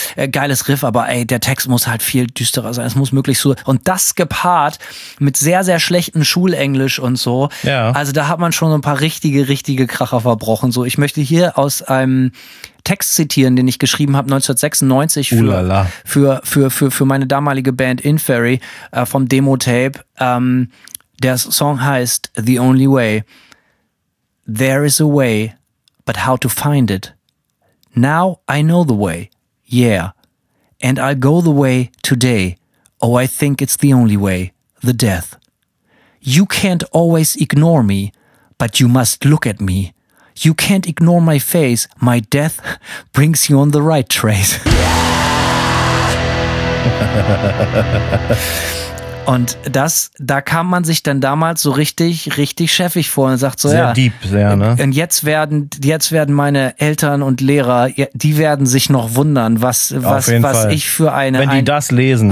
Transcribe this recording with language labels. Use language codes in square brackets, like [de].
[de] geiles Riff, aber ey, der Text muss halt viel düsterer sein, es muss möglichst so, und das gepaart mit sehr, sehr schlechten Schulenglisch und so, also da hat man schon so ein paar richtige Kracher verbrochen. So, ich möchte hier aus einem Text zitieren, den ich geschrieben habe 1996 für meine damalige Band Inferi vom Demo-Tape. Der Song heißt The Only Way. [en] There is a way, but how to find it? Now I know the way, yeah. And I'll go the way today. Oh, I think it's the only way, the death. You can't always ignore me, but you must look at me. You can't ignore my face. My death brings you on the right trace. [de] Und das, da kam man sich dann damals so richtig, richtig schäffig vor und sagt so, sehr ja. Sehr deep, sehr, ne? Und jetzt werden meine Eltern und Lehrer, die werden sich noch wundern, was ich für eine, wenn die das lesen,